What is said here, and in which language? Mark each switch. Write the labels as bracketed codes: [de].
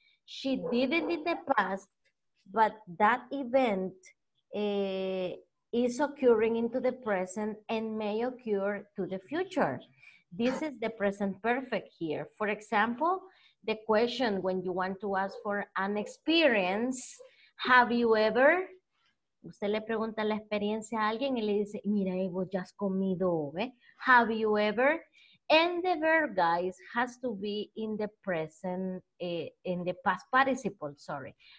[en] She did it in the past, but that event is occurring into the present and may occur to the future. This is the present perfect here. For example, the question when you want to ask for an experience, have you ever... [es] Usted le pregunta la experiencia a alguien y le dice, mira, vos ya has comido, ¿eh? [en] Have you ever? And the verb, guys, has to be in the present, in the past participle, sorry.